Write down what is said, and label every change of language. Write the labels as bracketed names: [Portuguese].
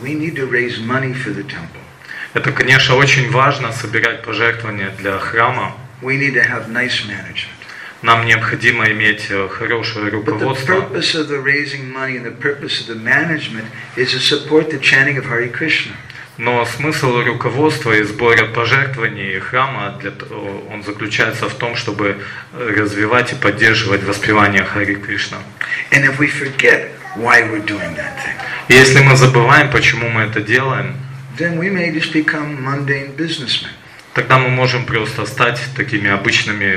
[English] We need to raise money for the temple. [Russian] Это, конечно, очень важно, собирать пожертвования для храма. [English] We need to have nice management. [Russian] Нам необходимо иметь хорошее руководство. [English] But the purpose of the raising money and the purpose of the management is to support the chanting of Hare Krishna. [Russian] Но смысл руководства и сбора пожертвований храма, он заключается в том, чтобы развивать и поддерживать воспевание Хари Кришна. [English] And if we forget why we're doing that thing. [Russian] И если мы забываем, почему мы это делаем, [English] then we may just become mundane businessmen. [Russian] тогда мы можем просто стать такими обычными